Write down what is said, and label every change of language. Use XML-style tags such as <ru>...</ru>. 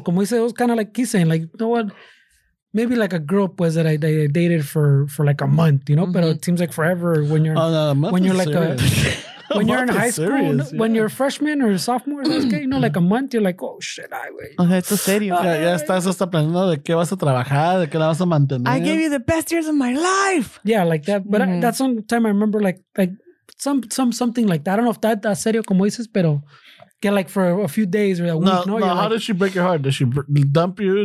<es>Como dice,</es> <en>it was kind of like he's saying, like, you know what? Maybe like a girl was that I dated for like a month, you know? Mm-hmm. But it seems like forever when you're. Oh, no, a month. When you're like serious. When you're in high school, serious, yeah. When you're a freshman or a sophomore, okay, you know, like a month, you're like, oh, shit, I wait. That's so serious.</en> <es>Ya estás hasta planeando de qué vas a trabajar, de qué la vas a mantener.</es> <en>I gave you the best years of my life. Yeah, like that. But mm-hmm. That's one time I remember like some something like that. I don't know if that's</en> <es>serio como dices, pero que</es> <en>like for a few days or a week. No, how like, did she break your heart? Did she dump you?</en>